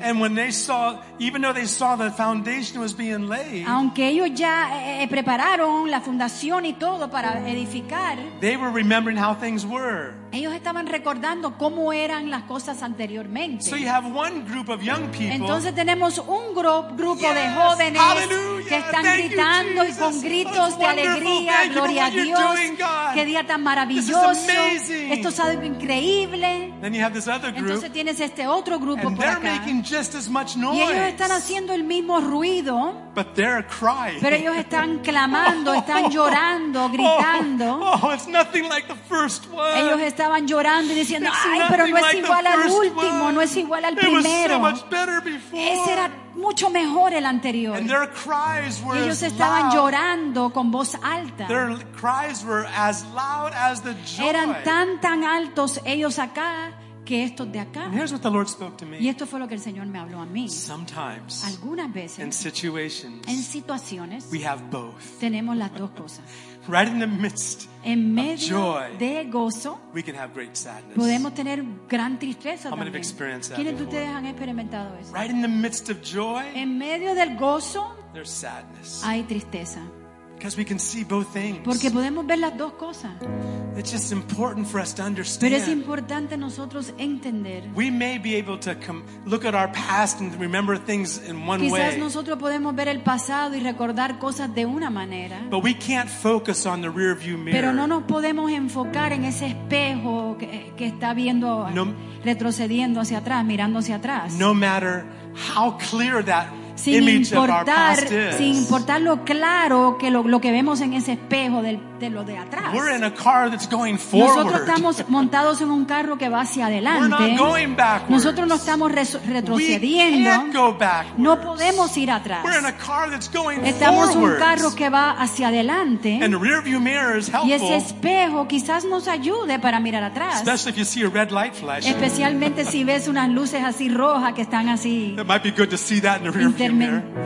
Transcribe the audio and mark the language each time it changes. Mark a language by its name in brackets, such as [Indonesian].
[English] And when they saw, even though they saw the foundation was being laid, [Spanish] aunque ellos ya prepararon la fundación y todo para edificar, [English] they were remembering how things were. [Spanish] Ellos estaban recordando cómo eran las cosas anteriormente. [English] So you have one group of young people. [Spanish] Entonces tenemos un grupo [English] yes, [Spanish] de jóvenes [English] hallelujah, [Spanish] que están gritando [English] you, Jesus, [Spanish] y con gritos de Alegría, [English] thank [Spanish] gloria [English] you [Spanish] a Dios. [English] Doing, [Spanish] qué día tan maravilloso. [English] This is [Spanish] esto es algo increíble. [English] Then you have this other group, [Spanish] entonces tienes este otro grupo [English] and [Spanish] por [English] they're [Spanish] acá. [English] Making just as much noise. [Spanish] Y ellos están haciendo el mismo ruido. [English] But they're crying. [Spanish] Pero ellos están clamando, están llorando, gritando. [English] Oh, it's nothing like the first one. [Spanish] Ellos estaban llorando y diciendo, ay, pero no es igual al último, no es igual al primero. [English] It was so much better before. [Spanish] Ese era mucho mejor el anterior. [English] And their cries were [Spanish] y ellos [English] as [Spanish] estaban [English] loud. [Spanish] Llorando con voz alta. [English] Their cries were as loud as the joy. [Spanish] Eran tan altos ellos acá que estos de acá. [English] And here's what the Lord spoke to me. [Spanish] Y esto fue lo que el Señor me habló a mí. [English] Sometimes, [Spanish] algunas veces, [English] in situations, [Spanish] en situaciones, [English] we have both. [Spanish] Tenemos las dos cosas. [English] Right in the midst [Spanish] en medio [English] of joy, [Spanish] de gozo, [English] we can have great sadness. [Spanish] Podemos tener gran tristeza. [English] How many have experienced that? [Spanish] ¿Quiénes de ustedes han experimentado eso? [English] Right in the midst of joy, [Spanish] en medio del gozo, [English] there's sadness. [Spanish] Hay tristeza. [English] Because we can see both things. [Spanish] Porque podemos ver las dos cosas. [English] It's just important for us to understand. [Spanish] Pero es importante nosotros entender. [English] We may be able to look at our past and remember things in one [Spanish] quizás [English] way. [Spanish] Quizás nosotros podemos ver el pasado y recordar cosas de una manera. [English] But we can't focus on the rearview mirror. [Spanish] Pero no nos podemos enfocar en ese espejo que está viendo no, retrocediendo hacia atrás, mirando hacia atrás. [English] No matter how clear that [Spanish] sin importar lo claro que lo que vemos en ese espejo de lo de atrás. [English] We're in a car that's going forward. [Spanish] Nosotros estamos montados en un carro que va hacia adelante. [English] We're not going backwards. [Spanish] Nosotros no estamos retrocediendo. [English] We can't go backwards. [Spanish] No podemos ir atrás. [English] We're in a car that's going [Spanish] estamos [English] forwards. [Spanish] Un carro que va hacia adelante. [English] And the rearview mirror is helpful. [Spanish] Y ese espejo quizás nos ayude para mirar atrás. [English] Especially if you see a red light flashing. [Spanish] Especialmente si ves unas luces así rojas que están así. [English] It might be good to see that in the rearview mirror.